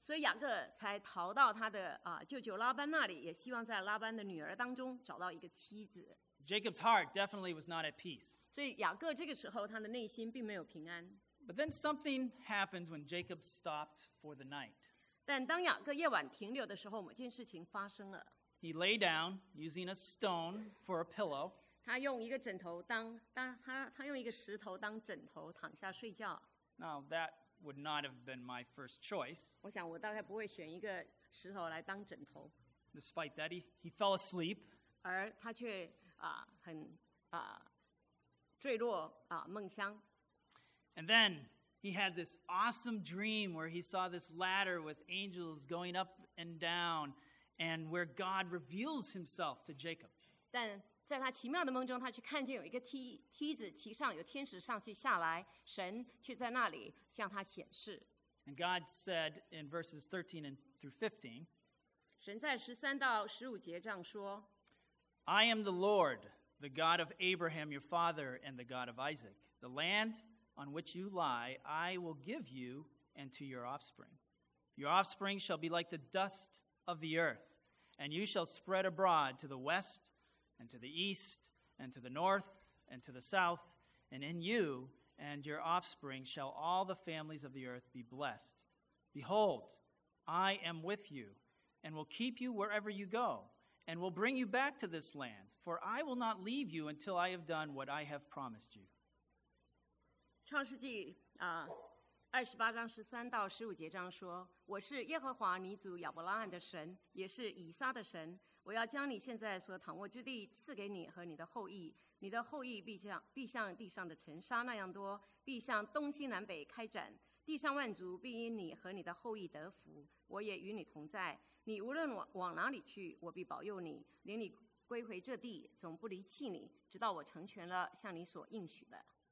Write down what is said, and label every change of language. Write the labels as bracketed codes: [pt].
[zh] 所以雅各才逃到他的舅舅拉班那里，也希望在拉班的女儿当中找到一个妻子。 [en] Jacob's heart definitely was not at peace. [zh] 所以雅各这个时候他的内心并没有平安。 [en] But then something happens when Jacob stopped for the night. [zh] 但当雅各夜晚停留的时候，某件事情发生了。 [en] He lay down using a stone for a pillow. [zh] 他用一个枕头他用一个石头当枕头躺下睡觉。 [en] Now that would not have been my first choice. [zh] 我想我大概不会选一个石头来当枕头。 [en] Despite that, he fell asleep. [zh] 而他却很坠落梦乡。 [en] And then he had this awesome dream where he saw this ladder with angels going up and down and where God reveals himself to Jacob. [zh] 但在他奇妙的梦中他却看见有一个梯子骑上有天使上去下来神却在那里向他显示。 [en] And God said in verses 13 and through 15, [zh] 神在13到15节这样说, [en] I am the Lord, the God of Abraham, your father, and the God of Isaac. The land... On which you lie, I will give you and to your offspring. Your offspring shall be like the dust of the earth, and you shall spread abroad to the west and to the east and to the north and to the south, and in you and your offspring shall all the families of the earth be blessed. Behold, I am with you and will keep you wherever you go, and will bring you back to this land, for I will not leave you until I have done what I have promised you. [zh] 创世纪28章13到15节章说，我是耶和华你祖亚伯拉罕的神，也是以撒的神，我要将你现在所躺卧之地赐给你和你的后裔，你的后裔必像地上的尘沙那样多，必向东西南北开展，地上万族必因你和你的后裔得福，我也与你同在，你无论往哪里去，我必保佑你，领你归回这地，总不离弃你，直到我成全了向你所应许的。